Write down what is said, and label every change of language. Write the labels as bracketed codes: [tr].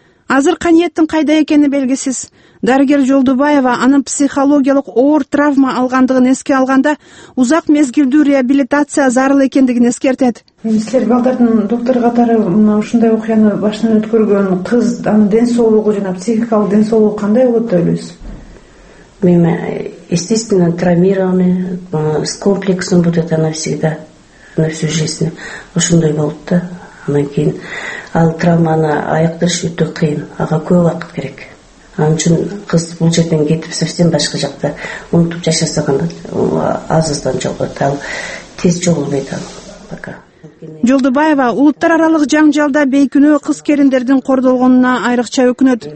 [ky] Азыр каниеттин кайда экени белгисиз. Дарыгер Жолдубаева анын психологиялык оор травма алгандыгын эске алганда, узак мезгилдүү реабилитация зарыл экендигин эскертет. Силер балдардын доктор катары мына ушундай окуяны башынан өткөргөн кыз, анын ден соолугу жана психикалык ден соолугу кандай болот деп ойлойсуз? [ru] Мен естественно травмированный, с комплексом будет она всегда на всю жизнь. [ky] Ошондой болот да. Анан кийин ал травманы айыктырыш өтө кыйын, ага көп убакыт керек. Ал үчүн кыз бул жерден кетип совсем башка жакта унутуп жашаса кандай, азыздан жоголот, ал тез жоголбойт ал пока. Жолдубаева улуттар аралык жаңжалда бейкүнөө кыз келиндердин кордолгонуна айрыкча өкүнөт.